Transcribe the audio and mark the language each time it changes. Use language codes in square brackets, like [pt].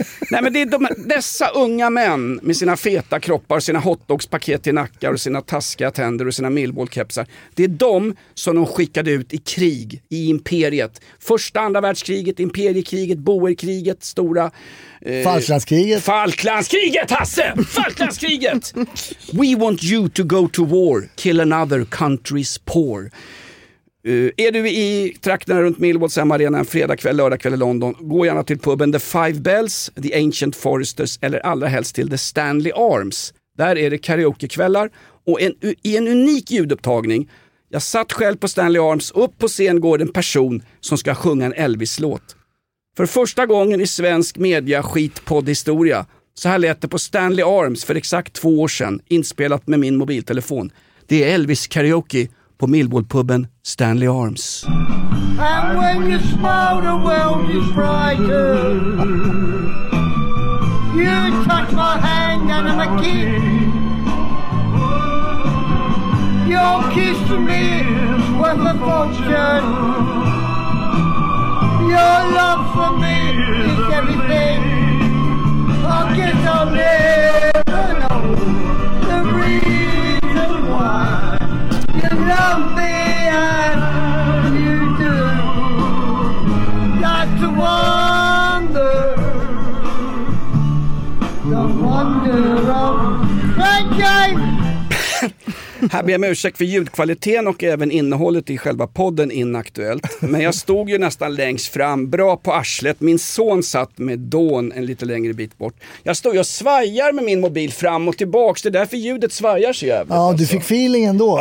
[sv] Nej, men det är dessa unga män med sina feta kroppar, sina hotdogspaket i nackar och sina taskiga tänder och sina millbollkepsar. Det är de som de skickade ut i krig, i imperiet. Första, andra världskriget, imperiekriget, boerkriget, stora... Falklandskriget. Falklandskriget, Hasse! Falklandskriget! [en] We want you to go to war, kill another country's poor. [sv] Är du i trakterna runt Millwalls Arena en fredagkväll, lördagkväll i London, gå gärna till puben The Five Bells, The Ancient Foresters eller allra helst till The Stanley Arms. Där är det karaokekvällar och en unik ljudupptagning. Jag satt själv på Stanley Arms, upp på scen går en person som ska sjunga en Elvis-låt. För första gången i svensk media skitpoddhistoria, så här lät det på Stanley Arms för exakt 2 år sedan, inspelat med min mobiltelefon. Det är Elvis karaoke på Millwall-pubben Stanley Arms. [en] And when you smile the world is brighter, you touch my hand and I'm a kid. Your kiss to me is worth a fortune. Your love for me is everything. I guess I'll never know the reason why you love me as you do. That's a wonder, the wonder of friendship. [sv] Här ber jag mig ursäkt för ljudkvaliteten och även innehållet i själva podden Inaktuellt. Men jag stod ju nästan längst fram, bra på arslet. Min son satt med dån en lite längre bit bort. Jag står och svajar med min mobil fram och tillbaks. Det är därför ljudet svajar så jävligt. Ja, alltså. Du fick feeling ändå.